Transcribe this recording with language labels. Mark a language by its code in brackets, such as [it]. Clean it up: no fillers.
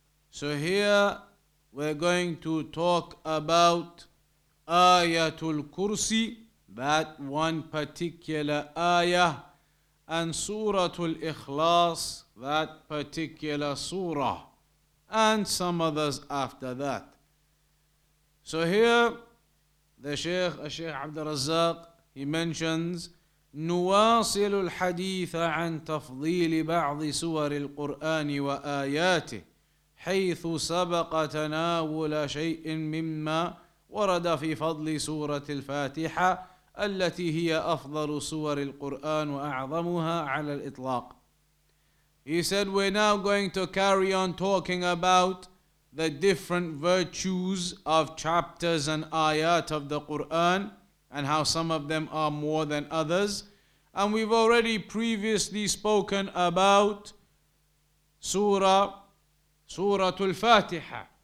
[en] So here we're going to talk about Ayatul Kursi, that one particular ayah, and Suratul Ikhlas, that particular surah, and some others after that. So here, the Sheikh Abdul Razzaq, he mentions, [ar] نواصل الحديث عن تفضيل بعض سور القرآن وآياته حيث سبق تناول شيء مما ورد في فضل سورة الفاتحة التي هي أفضل سور القرآن وأعظمها على الإطلاق. [en] He said, we're now going to carry on talking about the different virtues of chapters and ayat of the Qur'an and how some of them are more than others. And we've already previously spoken about Suratul Fatiha.